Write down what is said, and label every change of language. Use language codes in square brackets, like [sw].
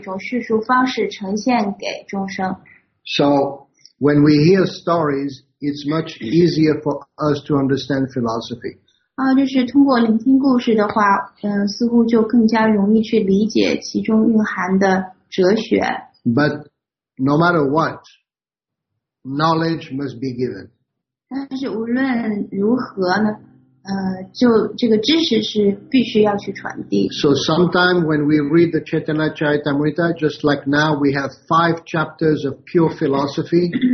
[zh] 那就是说把这个伟大的这个经典以一个故事的那种叙述方式呈现给众生。 [en] So, when we hear stories, it's much easier for us to understand philosophy. [zh] 就是通过聆听故事的话，似乎就更加容易去理解其中蕴含的哲学。 [en] But no matter what, knowledge must be given. [zh] 但是无论如何呢， 就这个知识是必须要去传递。 [en] So sometime when we read the Chaitanya Charitamrita, just like now, we have 5 chapters of pure philosophy.